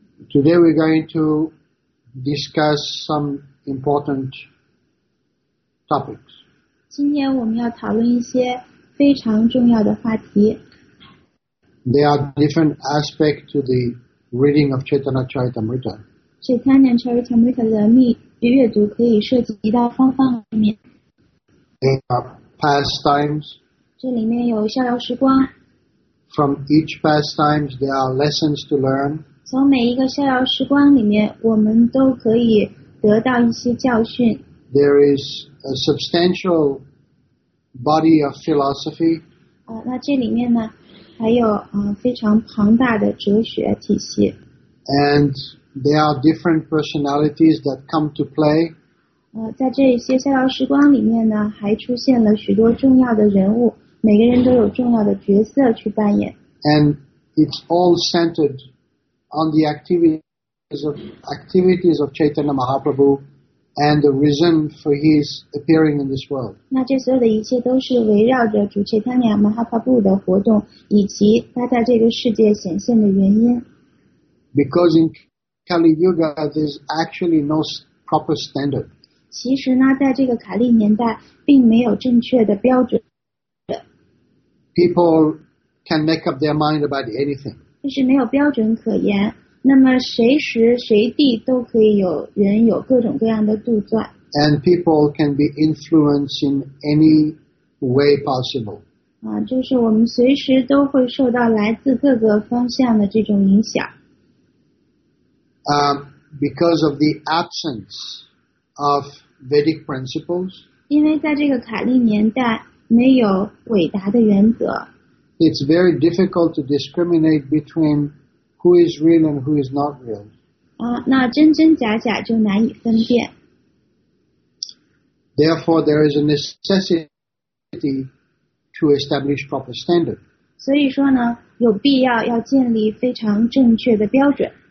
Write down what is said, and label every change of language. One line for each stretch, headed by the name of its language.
English: Today we're going to discuss some important topics.
Chinese: 今天我们要讨论一些非常重要的话题。
English: There are different aspects to the reading of Chaitanya Charitamrita.
Chinese: Chaitanya Charitamrita 的阅读可以涉及到方方面面。
English: There are pastimes.
Chinese: 这里面有逍遥时光。
English: From each pastime, there are lessons to learn.
Chinese: 从每一个逍遥时光里面，我们都可以得到一些教训。
English: There is a substantial body of philosophy.
Chinese: 那这里面呢，还有非常庞大的哲学体系。
English: And there are different personalities that come to play.
Chinese: 在这些逍遥时光里面呢，还出现了许多重要的人物，每个人都有重要的角色去扮演。
English: And it's all centered on the activities of Chaitanya Mahaprabhu and the reason for his appearing in this world.
Chinese: 那这所有的一切都是围绕着主 Chaitanya Mahaprabhu 的活动，以及他在这个世界显现的原因。
English: Because in Kali Yuga, there's actually no proper standard.
Chinese: 其实呢，在这个卡利年代，并没有正确的标准。
English: People can make up their mind about anything.
Chinese: 就是没有标准可言，那么随时随地都可以有人有各种各样的杜撰。
English: And people can be influenced in any way possible.
Chinese: 就是我们随时都会受到来自各个方向的这种影响。
English: Because of the absence of Vedic principles,
Chinese: 因为在这个卡利年代没有伟达的原则
English: it's very difficult to discriminate between who is real and who is not real.
Chinese: 那真真假假就难以分辨
English: Therefore, there is a necessity to establish proper standard.
Chinese: 所以说呢，有必要要建立非常正确的标准。